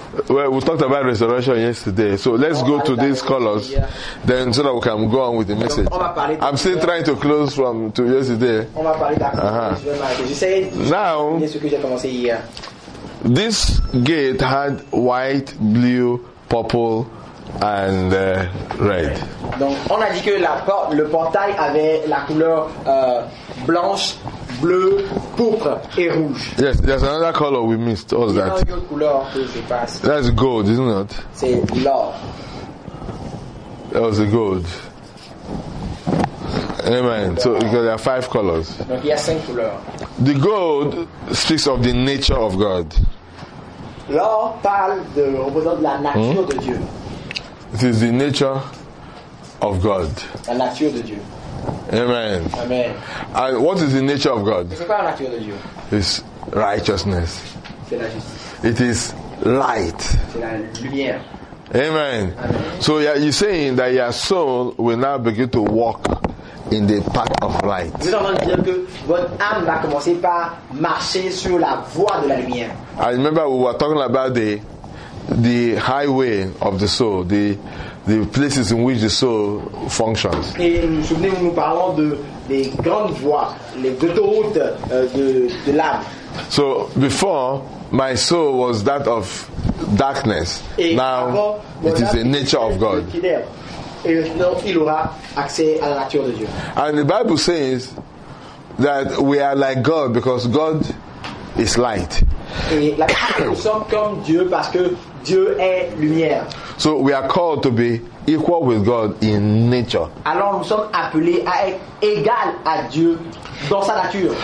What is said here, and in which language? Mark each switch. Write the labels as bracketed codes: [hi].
[en] Well, we talked about resurrection yesterday, so let's go to these colors, then so that we can go on with the message. I'm still trying to close from to yesterday. Uh-huh. Now, this gate had white, blue, purple, and red. [fr] Donc, on a dit que le portail avait la couleur blanche, bleu, pourpre et rouge. [en] Yes, there's another color we missed. What's that? That's gold, isn't it? [fr] C'est l'or. [en] That was the gold. Amen. So because there are five colors. [fr] Donc, il y a cinq couleurs. [en] The gold speaks of the nature of God. [fr] L'or parle de représente la nature de Dieu. [en] It is the nature of God. [fr] La nature de Dieu. [en] Amen. [fr] Amen. [en] And what is the nature of God? [fr] C'est quoi la nature de Dieu? [en] It's righteousness. [fr] C'est la justice. [en] It is light. [fr] C'est la lumière. [en] Amen. [fr] Amen. [en] So you're saying that your soul will now begin to walk in the path of light. [fr] Vous êtes en train de dire que votre âme va commencer par marcher sur la voie de la lumière. [en] I remember we were talking about the highway of the soul, the places in which the soul functions. [fr] Et nous souvenez-vous, nous parlons de les grandes voies, les autoroutes de l'âme. [en] So before, my soul was that of darkness. [fr] Et [en] now [fr] avant, [en] it is the nature of God. [fr] Et maintenant, il aura accès à la nature de Dieu. [en] And the Bible says that we are like God because God is light. [fr] Et la Bible dit que nous sommes comme Dieu parce que Dieu est lumière. [en] So we are called to be equal with God in nature. [fr] Alors nous sommes appelés à être égal à Dieu dans sa nature.